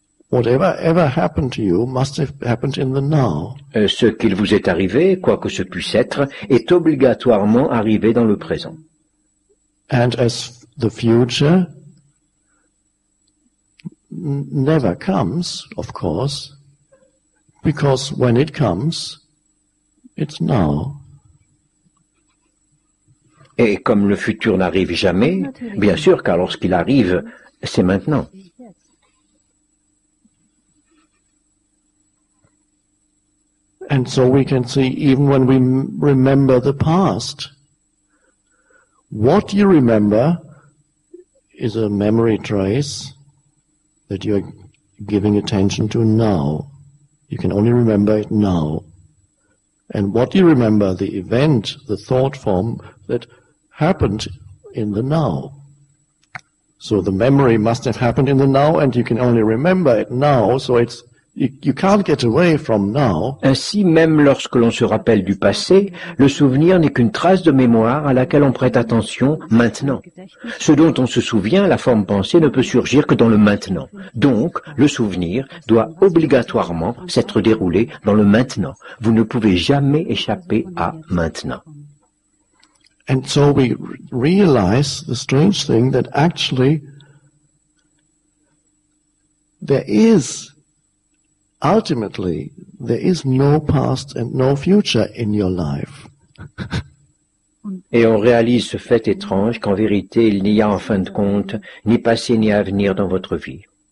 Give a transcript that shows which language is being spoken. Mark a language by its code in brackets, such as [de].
[en] Whatever ever happened to you must have happened in the now. [fr] Ce qu'il vous est arrivé, quoi que ce puisse être, est obligatoirement arrivé dans le présent. [en] And as the future never comes, of course, Because when it comes, it's now. [fr] Et comme le futur n'arrive jamais, bien sûr, car lorsqu'il arrive, c'est maintenant. [en] And so we can see, even when we remember the past, what you remember is a memory trace that you're giving attention to now. You can only remember it now. And what you remember, the event, the thought form that happened in the now. So the memory must have happened in the now, and you can only remember it now, so it's you can't get away from now. [fr] Ainsi, même lorsque l'on se rappelle du passé, le souvenir n'est qu'une trace de mémoire à laquelle on prête attention maintenant. Ce dont on se souvient, la forme pensée, ne peut surgir que dans le maintenant. Donc, le souvenir doit obligatoirement s'être déroulé dans le maintenant. Vous ne pouvez jamais échapper à maintenant. [en] And so we realize the strange thing that actually there is, ultimately, there is no past and no future in your life. [fr] Et on réalise ce fait étrange qu'en vérité, il n'y a en fin de compte ni passé ni avenir dans votre vie.